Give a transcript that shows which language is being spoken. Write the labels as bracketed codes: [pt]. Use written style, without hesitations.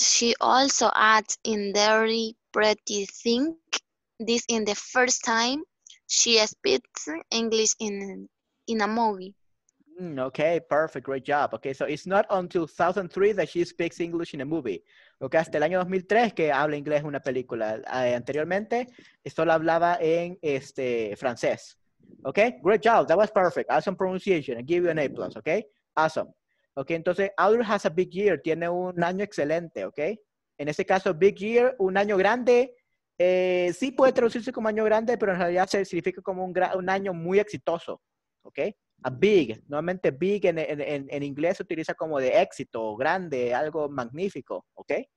[en] She also acts in Very Pretty Thing. This is the first time she speaks English in a movie. Okay, perfect, great job. Okay, so it's not until 2003 that she speaks English in a movie. [es] Okay, hasta el año 2003 que habla inglés en una película. Anteriormente, solo hablaba en francés. [en] Okay, great job, that was perfect. Awesome pronunciation, I give you an A+, okay? Awesome. Okay, [es] entonces, [en] Audrey has a big year, [es] tiene un año excelente, [en] okay? [es] En ese caso, [en] big year, [es] un año grande. Sí puede traducirse como año grande, pero en realidad se significa como un año muy exitoso, ¿ok? A big, normalmente big en inglés se utiliza como de éxito, grande, algo magnífico, ¿ok?